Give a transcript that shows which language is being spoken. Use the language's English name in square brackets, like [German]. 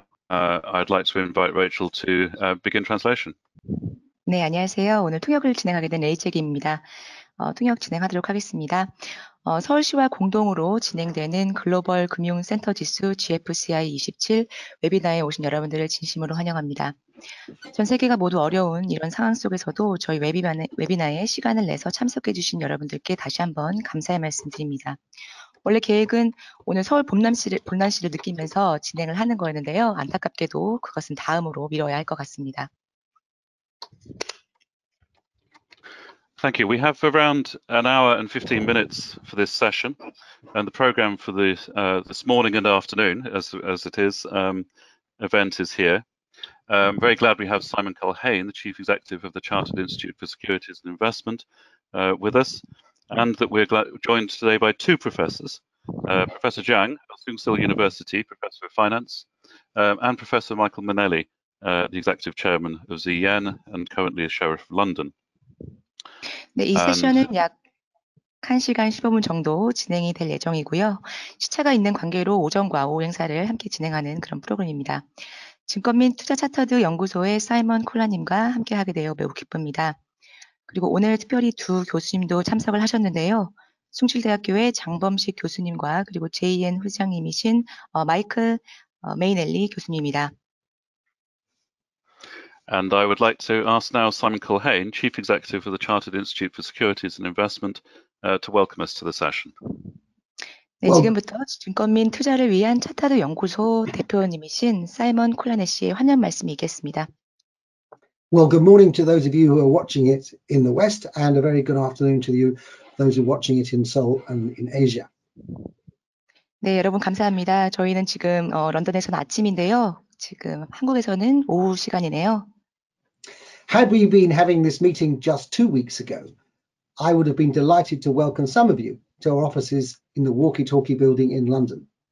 [English] I'd like to invite Rachel to begin translation. [Korean] 네, 안녕하세요. 오늘 통역을 진행하게 된 레이첼 김입니다. 통역 진행하도록 하겠습니다. 서울시와 공동으로 진행되는 글로벌 금융센터 지수 GFCI 27 웨비나에 오신 여러분들을 진심으로 환영합니다. 전 세계가 모두 어려운 이런 상황 속에서도 저희 웨비나에 시간을 내서 참석해 주신 여러분들께 다시 한번 감사의 말씀 드립니다. 원래 계획은 오늘 서울 봄날씨를 느끼면서 진행을 하는 거였는데요. 안타깝게도 그것은 다음으로 미뤄야 할 것 같습니다. [English] Thank you. We have around an hour and 15 minutes for this session, and the program for this morning and afternoon, as it is, event is here. I'm very glad we have Simon Culhane, the Chief Executive of the Chartered Institute for Securities and Investment, with us, and that we're joined today by two professors, Professor JANG of Soongsil University, Professor of Finance, and Professor Michael Mainelli, the Executive Chairman of ZEN and currently a Sheriff of London. [Korean] 네, 이 세션은 약 1시간 15분 정도 진행이 될 예정이고요. 시차가 있는 관계로 오전과 오후 행사를 함께 진행하는 그런 프로그램입니다. 증권 및 투자 차터드 연구소의 사이먼 콜라님과 함께 하게 되어 매우 기쁩니다. 그리고 오늘 특별히 두 교수님도 참석을 하셨는데요. 숭실대학교의 장범식 교수님과 그리고 JN 회장님이신 마이클 메이넬리 교수님입니다. [English] And I would like to ask now Simon Culhane, Chief Executive of the Chartered Institute for Securities and Investment, to welcome us to the session. [Korean] 네, 지금부터 증권 및 투자를 위한 차타드 연구소 대표님이신 사이먼 콜라네 씨의 환영 말씀이 있겠습니다. [English] Well, good morning to those of you who are watching it in the West, and a very good afternoon to you, those who are watching it in Seoul and in Asia. [Korean] 네, 여러분 감사합니다. 저희는 지금 런던에서는 아침인데요. 지금 한국에서는 오후 시간이네요. [English] Had we been having this meeting just 2 weeks ago, I would have been delighted to welcome some of you to our offices in the walkie-talkie building in London.